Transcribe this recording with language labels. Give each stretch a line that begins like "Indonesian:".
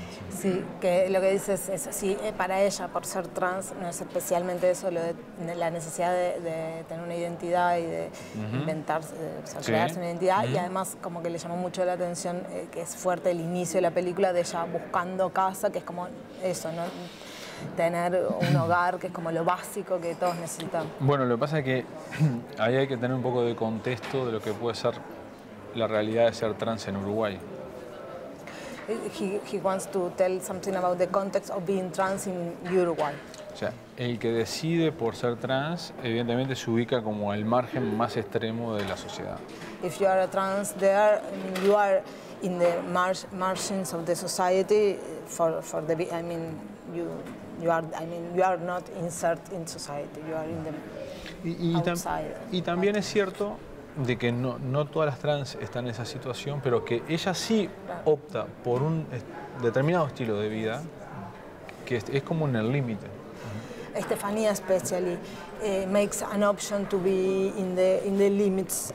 Spanish: sí, que lo que dices es sí, para ella, por ser trans, no es especialmente eso, lo de la necesidad de tener una identidad y de inventarse, de, o sea, crearse una identidad, y además como que le llamó mucho la atención, que es fuerte el inicio de la película, de ella buscando casa, que es como eso, ¿no? Tener un hogar, que es como lo básico que todos necesitan. Bueno, lo que pasa es que ahí hay que tener un poco de contexto de lo que puede ser la realidad de ser trans en Uruguay.
English: He wants to tell something about the context of being trans in Uruguay.
Spanish: O sea, el que decide por ser trans, evidentemente se ubica como el margen más extremo de la sociedad.
English: If you are a trans there, you are in the margins of the society for the, I mean, you are not inserted in society, you are in the outside.
Spanish: Y también es cierto de que no todas las trans están en esa situación, pero que ella sí opta por un determinado estilo de vida que es como en el límite.
English: Stephanía especially makes an option to be in the limits.